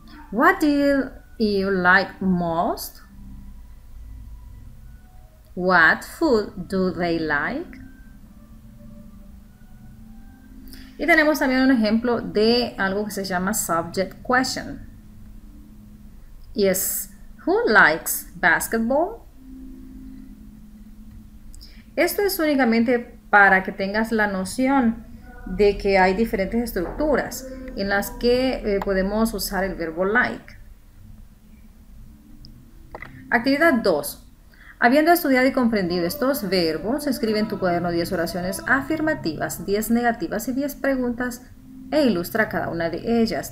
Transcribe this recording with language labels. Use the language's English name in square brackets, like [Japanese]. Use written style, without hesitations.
[English] What did you like most? What food do they like? [Spanish] Y tenemos también un ejemplo de algo que se llama subject question. Y es, [English] who likes basketball? [Spanish] Esto es únicamente para que tengas la noción de que hay diferentes estructuras en las que podemos usar el verbo like. Actividad 2. Habiendo estudiado y comprendido estos verbos, escribe en tu cuaderno 10 oraciones afirmativas, 10 negativas y 10 preguntas e ilustra cada una de ellas.